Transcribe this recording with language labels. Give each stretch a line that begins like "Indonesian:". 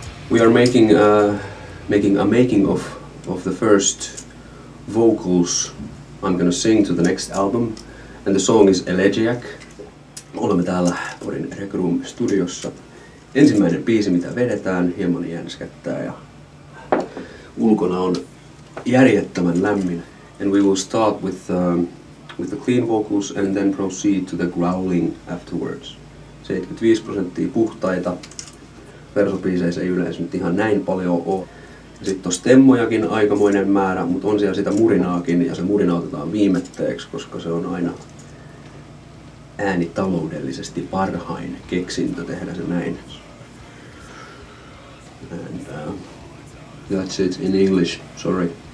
English: We are making making a making of the first vocals I'm gonna sing to the next album, and the song is Elegiac.
Finnish: Olemme täällä Porin Rec Room -studiossa. Ensimmäinen biisi, mitä vedetään, hieman jänskättää, ja ulkona on järjettömän lämmin.
English: And we will start with the clean vocals and then proceed to the growling afterwards.
Finnish: 75% puhtaita. Versobiiseissä ei yleensä nyt ihan näin paljon ole. Sitten on stemmojakin aikamoinen määrä, mutta on siellä sitä murinaakin, ja se murina otetaan viimetteeksi, koska se on aina ääni taloudellisesti parhain keksintö tehdä se näin.
English: And that's it in English, sorry.